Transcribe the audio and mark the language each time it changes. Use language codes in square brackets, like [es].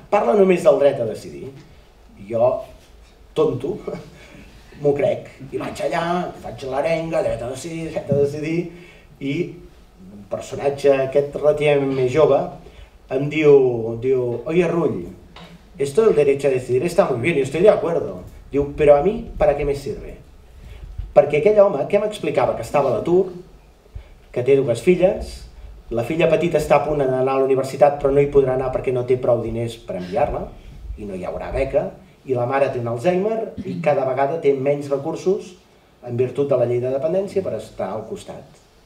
[ca] Parla només del dret a decidir. Jo, tonto, m'ho crec. I vaig allà, faig l'arenga, dret a decidir, i un personatge aquest relativament més jove em diu, [es] oye Rull, esto del derecho a decidir está muy bien, y estoy de acuerdo. Diu, pero a mí, ¿para qué me sirve? [ca] Perquè aquell home, què m'explicava? Que estava a l'atur, que té dues filles, la filla petita està a punt d'anar a la universitat però no hi podrà anar perquè no té prou diners per enviar-la i no hi haurà beca i la mare té un Alzheimer i cada vegada té menys recursos en virtut de la llei de dependència per estar al costat.